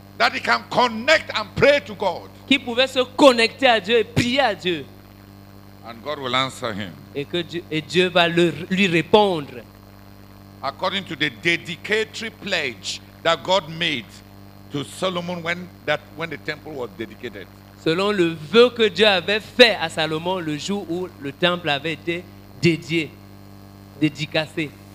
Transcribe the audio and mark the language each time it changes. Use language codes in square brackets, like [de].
[en] that he can connect and pray to God. [fr] Qu'il pouvait se connecter à Dieu et prier à Dieu. [en] And God will answer him. [fr] Et Dieu va lui répondre. [en] According to the dedicatory pledge that God made to Solomon when the temple was dedicated. [fr] Selon le vœu que Dieu avait fait à Salomon le jour où le temple avait été dédié. Dédicacé.